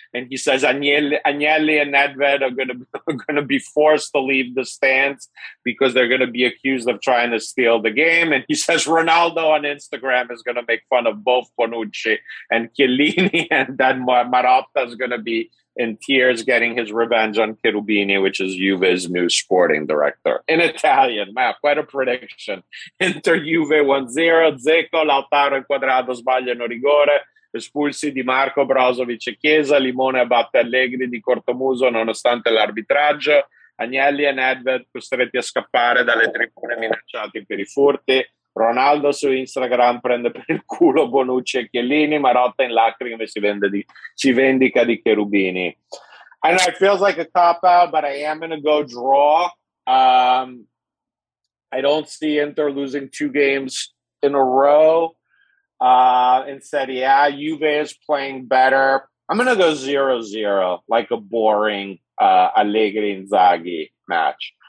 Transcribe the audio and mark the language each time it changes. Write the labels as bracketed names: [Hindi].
[English] And he says Agnelli and Nedved are going to be forced to leave the stands because they're going to be accused of trying to steal the game. And he says Ronaldo on Instagram is going to make fun of both Bonucci and Chiellini, and then Marotta is going to be in tears getting his revenge on Cherubini, which is Juve's new sporting director. In Italian, Matt, quite a prediction. [Italian] Inter Juve 1-0, Zecco, Lautaro e Quadrado sbagliano rigore, espulsi Di Marco, Brozovic e Chiesa, Limone abbatte Allegri di Cortomuso nonostante l'arbitraggio, Agnelli e Nedved costretti a scappare dalle tribune minacciati per i furti, Ronaldo su Instagram prende per il culo Bonucci e Chiellini, Marotta in lacrime si vendica di Cherubini. [English] I know it feels like a cop-out, but I am going to go draw. I don't see Inter losing two games in a row in Serie A. Juve is playing better. I'm going to go 0-0, like a boring Allegri-Inzaghi match.